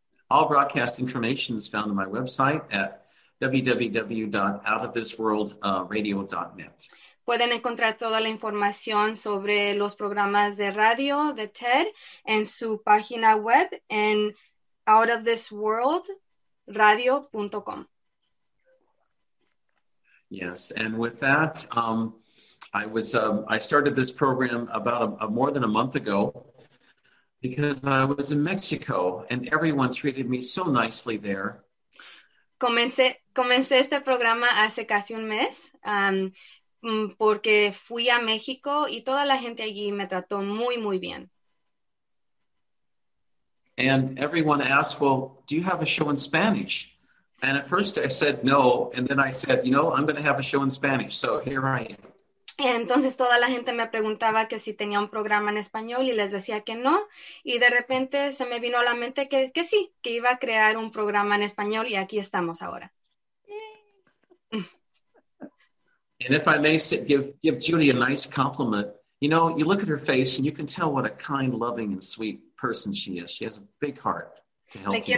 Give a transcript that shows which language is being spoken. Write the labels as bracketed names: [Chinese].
[English] All broadcast information is found on my website at www.outofthisworldradio.net. [Spanish] Pueden encontrar toda la información sobre los programas de radio de TED en su página web en outofthisworldradio.com. [English] Yes, and with that, I started this program about more than a month ago because I was in Mexico and everyone treated me so nicely there. [Spanish] Comencé este programa hace casi un mes. Porque fui a México y toda la gente allí me trató muy, muy bien. [English] And everyone asked, well, do you have a show in Spanish? And at first I said no, and then I said, you know, I'm going to have a show in Spanish, so here I am. [Spanish] Y entonces toda la gente me preguntaba que si tenía un programa en español y les decía que no. Y de repente se me vino a la mente que sí, que iba a crear un programa en español y aquí estamos ahora. [English] And if I may say, give Judy a nice compliment, you know, you look at her face and you can tell what a kind, loving, and sweet person she is. She has a big heart to help.